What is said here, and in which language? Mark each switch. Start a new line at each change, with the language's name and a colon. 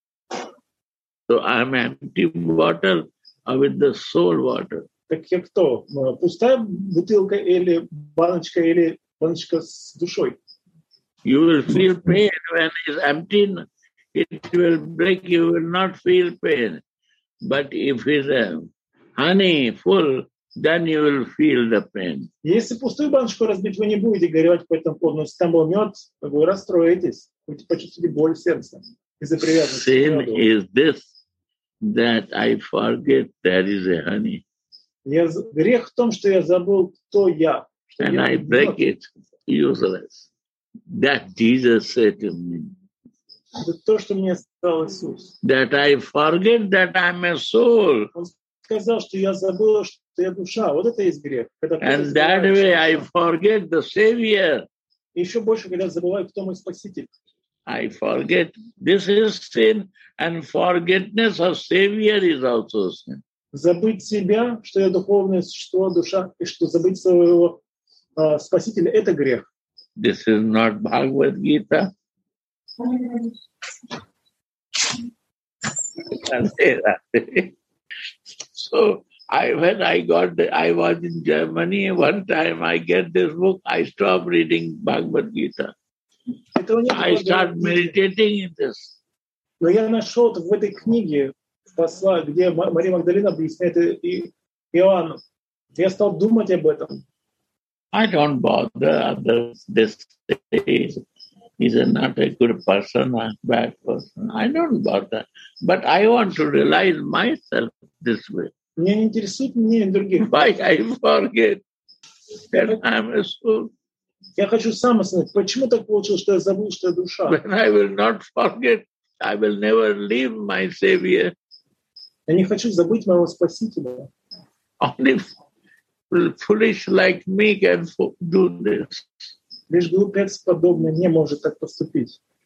English: So I'm empty bottle with the soul water.
Russian: Так я кто? Пустая бутылка или баночка, или баночка с душой?
English: You will feel pain when it's empty. It will break, you will not feel pain. But if it's honey full, then you will feel the pain.
Russian: Если пустую баночку разбить, вы не будете горевать по этому поводу. Если там был мед, вы расстроитесь. Вы почувствуете боль в сердце из-за привязанности.
English: Sin is this, that I forget there is a honey.
Russian: Я, грех в том, что я забыл, кто я.
English: And
Russian: я
English: I
Russian: мед.
English: Break it, useless. That Jesus said to me.
Russian: Это то, что мне сказал Иисус.
English: That I forget that I'm a soul.
Russian: Он сказал, что я забыл, что я душа. Вот это есть грех.
English: And that way I forget the Savior.
Russian: Еще больше, когда забываю, кто мой Спаситель.
English: I forget. This is sin. And forgetfulness of Savior is also sin.
Russian: Забыть себя, что я духовное существо, душа, и что забыть своего Спасителя – это грех.
English: This is not Bhagavad Gita. So when I was in Germany one time, I get this book, I stop reading Bhagavad Gita. I start meditating in this.
Russian: Но я нашел в этой книге посла, где Мария Магдалина объясняет и Иоанну. Я стал думать об этом.
English: I don't bother others. This is not a good person, a bad person. I don't bother. But I want to realize myself this way.
Russian: Меня не интересует мнение других.
English: Why I forget that I'm a soul?
Russian: Я хочу сам осознать, почему так получилось, что я забыл, что я душа?
English: When I will not forget, I will never leave my Savior.
Russian: Я не хочу забыть моего Спасителя.
English: Only foolish like me can do this.
Russian: Лишь глупец подобный не может так поступить.